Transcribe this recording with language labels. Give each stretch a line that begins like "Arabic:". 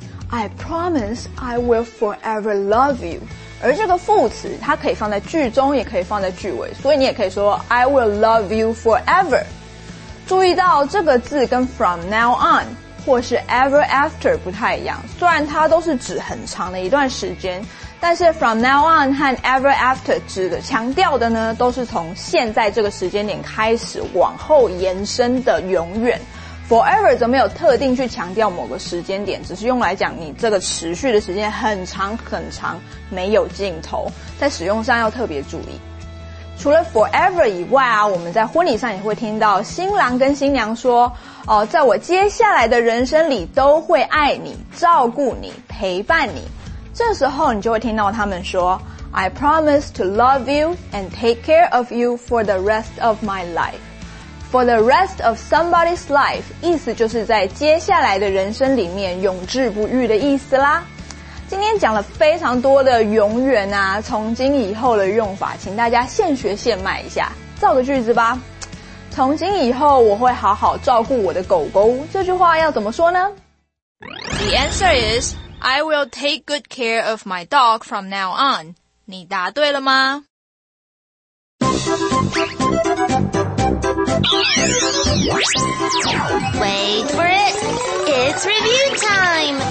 English: I promise I will forever love you.
Chinese: 而这个副词它可以放在句中，也可以放在句尾，所以你也可以说
English: I will love you forever.
Chinese: 注意到这个字跟 from now on 或是 ever after 不太一样，虽然它都是指很长的一段时间，但是 from now on 和 ever after 指的强调的呢，都是从现在这个时间点开始往后延伸的永远。 Forever 则没有特定去强调某个时间点，只是用来讲你这个持续的时间很长很长，没有尽头，在使用上要特别注意。除了 forever 以外啊，我们在婚礼上也会听到新郎跟新娘说，哦，在我接下来的人生里都会爱你，照顾你，陪伴你。这时候你就会听到他们说
English: I promise to love you and take care of you for the rest of my life. For the rest of somebody's life
Chinese: 意思就是在接下来的人生里面永志不渝的意思啦。今天讲了非常多的永远啊，从今以后的用法，请大家现学现卖一下，造个句子吧。从今以后我会好好照顾我的狗狗，这句话要怎么说呢？
English: The answer is I will take good care of my dog from now on.
Chinese: 你答对了吗？
English: Wait for it. It's review time.